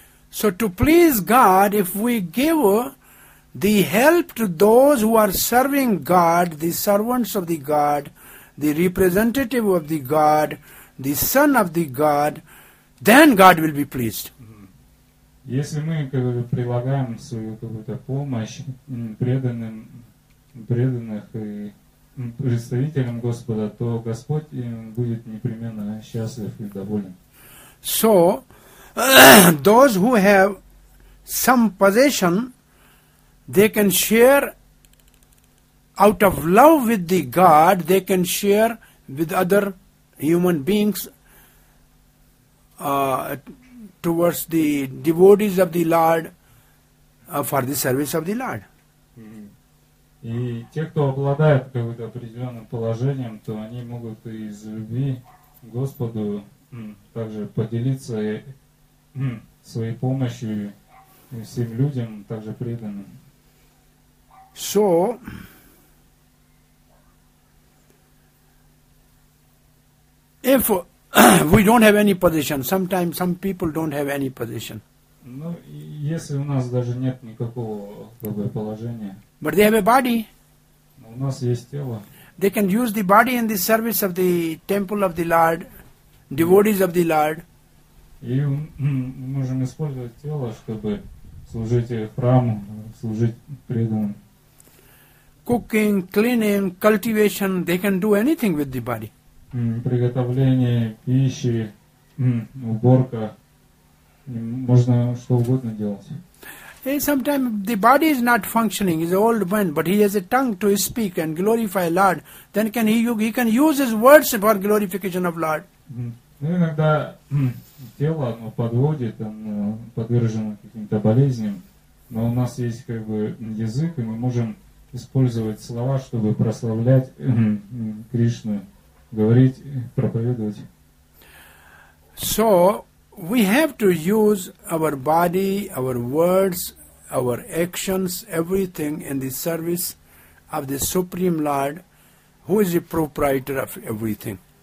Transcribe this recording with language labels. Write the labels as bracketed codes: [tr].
[en] So to please God, if we give the help to those who are serving God, the servants of the God, the representative of the God, the son of the God, then God will be pleased. [ru] Если мы прилагаем свою какую-то помощь преданных и представителям Господа, то Господь будет непременно счастлив и доволен. [en] So, those who have some possession, they can share out of love with the God, they can share with other human beings towards the devotees of the Lord for the service of the Lord. [ru] И те, кто обладает каким-то определенным положением, то они могут из любви Господу также поделиться своей помощью всем людям, также преданным. [en] So, if we don't have any position, sometimes some people don't have any position. [ru] Ну, если у нас даже нет никакого положения. [en] But they have a body. [ru] У нас есть тело. [en] They can use the body in the service of the temple of the Lord, devotees of the Lord. [ru] И мы можем использовать тело, чтобы служить храму, служить преданным. [en] cooking, cleaning, cultivation, they can do anything with the body. [ru] Приготовление пищи, уборка, можно что угодно делать. [en] Sometimes the body is not functioning, he's an old man, but he has a tongue to speak and glorify Lord. Then can he can use his words for glorification of Lord. [ru] Иногда тело оно подводит, оно подвержено каким-то болезням, но у нас есть как бы язык, и мы можем использовать слова, чтобы прославлять Кришну, говорить, проповедовать. [en] So we have to use our body, our words, our actions, everything in the service of the Supreme Lord, who is the proprietor of everything.